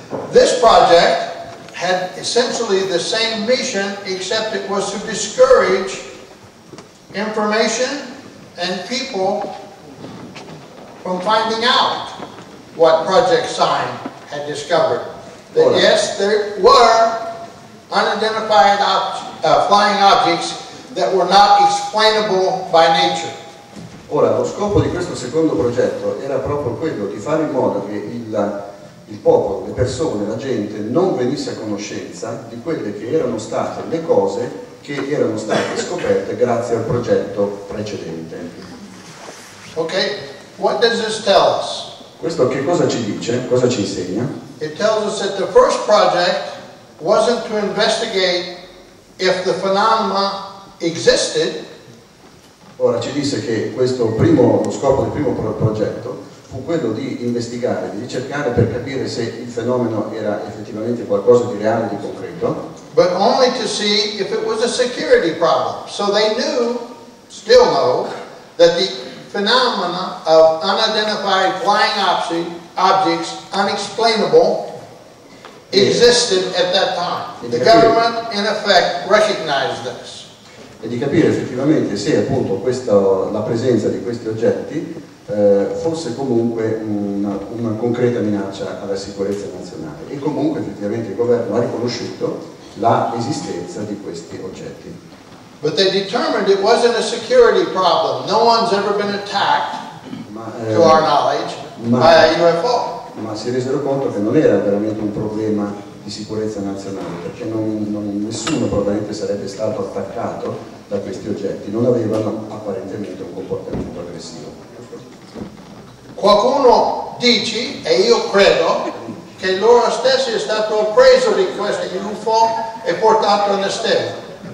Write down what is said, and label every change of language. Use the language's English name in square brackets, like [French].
[English] This project had essentially the same mission, except it was to discourage information and people from finding out what Project Sign had discovered. That ora, yes, there were unidentified flying objects that were not explainable by nature. [Italian] Ora, lo scopo di questo secondo progetto era proprio quello di fare in modo che il popolo, le persone, la gente non venisse a conoscenza di quelle che erano state le cose che erano state scoperte grazie al progetto precedente. [English] Okay, what does this tell us? [Italian] Questo che cosa ci dice? Cosa ci insegna? [English] It tells us that the first project wasn't to investigate if the phenomena existed. [Italian] Ora ci dice che questo primo, lo scopo del primo progetto fu quello di investigare, di cercare per capire se il fenomeno era effettivamente qualcosa di reale, di concreto. [English] But only to see if it was a security problem. So they knew, still know, that the phenomena of unidentified flying objects, unexplainable, existed at that time. The government, in effect, recognized this. [Italian] E di capire effettivamente se appunto questa, la presenza di questi oggetti fosse comunque una concreta minaccia alla sicurezza nazionale. E comunque effettivamente il governo ha riconosciuto la esistenza di questi oggetti. But they determined it wasn't a security problem. No one's ever been attacked, to our knowledge, by a UFO. Ma si resero conto che non era veramente un problema di sicurezza nazionale, perché nessuno probabilmente sarebbe stato attaccato da questi oggetti. Non avevano apparentemente un comportamento aggressivo. Qualcuno dice, e io credo, che loro stessi è stato preso di questo UFO e portato in esterno.